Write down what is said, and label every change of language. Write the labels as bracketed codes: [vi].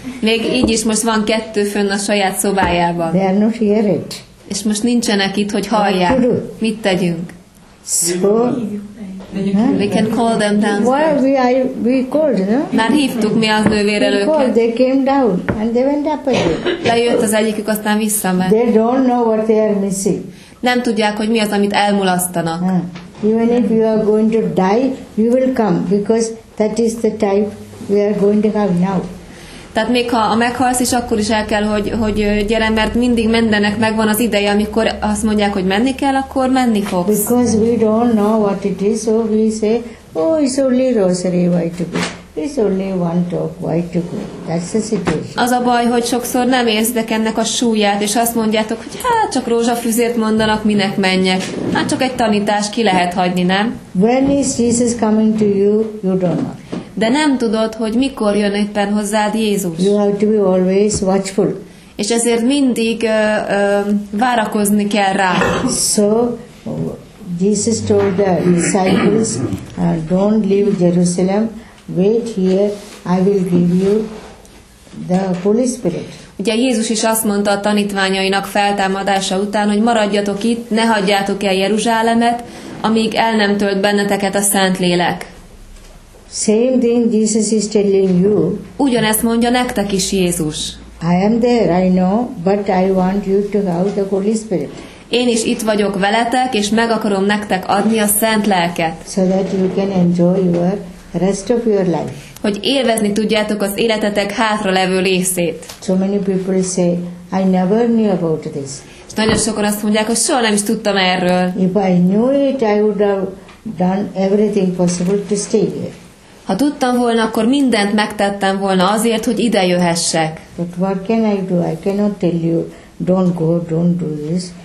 [hu] Még így is most van kettő fönn a saját szobájában. [en] They are not here yet. [hu] És most nincsenek itt, hogy hallják. Mit tegyünk? [en] So, huh? We can call them downstairs. Why we called, no? [hu] Már hívtuk mi az nővérelőket. [en] We called, they came down and they went up again. [hu] Lejött az egyikük, aztán visszament. [en] They don't know what they are missing. [hu] Nem tudják, hogy mi az, amit elmulasztanak. [en] Even if you are going to die, you will come because that is the type we are going to have now. [hu] Tehát még ha meghalsz, és akkor is el kell, hogy gyere, mert mindig mindennek megvan az ideje, amikor azt mondják, hogy menni kell, akkor menni fogsz. [en] Because we don't know what it is, so we say, oh, it's only rosary, why to go? It's only one talk, why to go? That's the situation. [hu] Az a baj, hogy sokszor nem érzedek ennek a súlyát, és azt mondjátok, hogy hát csak rózsafüzért mondanak, minek menjek. Hát csak egy tanítás, ki lehet hagyni, nem? [en] When is Jesus coming to you, you don't know. [hu] De nem tudod, hogy mikor jön éppen hozzád Jézus. [en] You have to be always watchful. [hu] És ezért mindig várakozni kell rá. [en] So, Jesus told the disciples, don't leave Jerusalem, wait here, I will give you the Holy Spirit. [hu] Ugye Jézus is azt mondta a tanítványainak feltámadása után, hogy maradjatok itt, ne hagyjátok el Jeruzsálemet, amíg el nem tölt benneteket a Szentlélek. [en] Same thing Jesus is telling you. [hu] Ugyanezt mondja nektek is Jézus. [en] I am there, I know, but I want you to have the Holy Spirit. [hu] Én is itt vagyok veletek, és meg akarom nektek adni a Szent Lelket. [en] So that you can enjoy your rest of your life. [hu] Hogy élvezni tudjátok az életetek hátra levő részét. [en] So many people say, I never knew about this. [hu] És nagyon sokan azt mondják, hogy soha nem is tudtam erről. [en] If I knew it, I would have done everything possible to stay here. [hu] Ha tudtam volna, akkor mindent megtettem volna azért, hogy ide jöhessek. [en] But what can I do? I cannot tell you, don't go, don't do this.